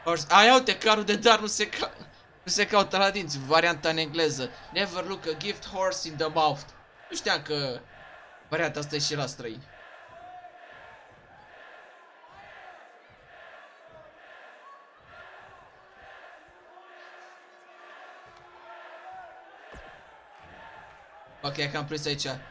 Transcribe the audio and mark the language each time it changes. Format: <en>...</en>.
<ro>Ai, uite, carul de dar nu se caută la dinți, varianta în engleză.</ro> <en>Never look a gift horse in the mouth.</en> <ro>Nu știam că varianta asta e și la străini. Ok, că am prins aici.</ro>